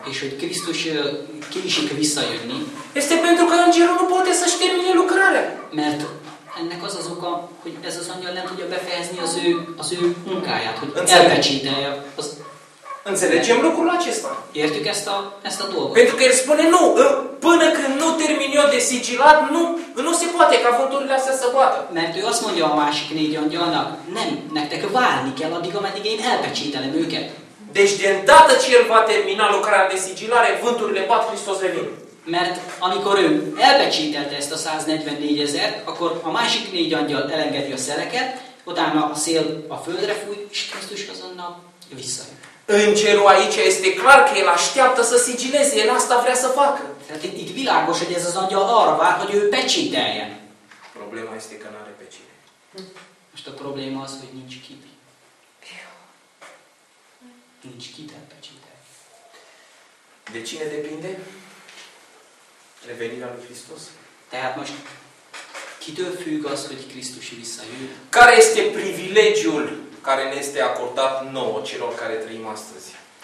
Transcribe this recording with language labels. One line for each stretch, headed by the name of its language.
Hungarian: és hogy Krisztus késik visszajönni,
Romanian: este pentru că Îngerul nu poate să-și termine lucrarea.
Hungarian: Mert ennek az az oka, hogy ez az angyal nem tudja befejezni az ő munkáját, hogy elpecsételje.
Romanian: Înțelegem lucrul acesta.
Hungarian: Értük ezt a, ezt a dolgot.
Romanian: Pentru că el spune, nu, până când nu termin eu de sigilat, nu, nu se poate ca vânturile astea să poată.
Hungarian: Mert ő azt mondja a másik négy angyalnak, nem, nektek várni kell, addig, ameddig én elpecsételem őket.
Romanian: Deci, de îndată ce el va termina lucrarea de sigilare, vânturile bat, Hristos revin.
Hungarian: Mert amikor ő elpecsételte ezt a 144 ezer, akkor a másik négy angyal elengedi a szeleket, utána a szél a földre fúj, és Krisztus azonnal visszajön.
Romanian: Îngerul aici este clar că el așteaptă să sigileze, el asta vrea să facă.
Hungarian: Itt világos, hogy ez az angyal arra vár, hogy ő pecsételje.
Romanian: Problema este că n-are pe cine.
Hungarian: Most a probléma az, hogy nincs kit. Nincs kit el pecsételje.
Romanian: De cine depinde? Revenirea lui Hristos?
Hungarian: Tehát most kitől függ az, hogy Krisztus visszajön?
Romanian: Care este privilegiul care ne este acordat nouă, celor care trăim astăzi?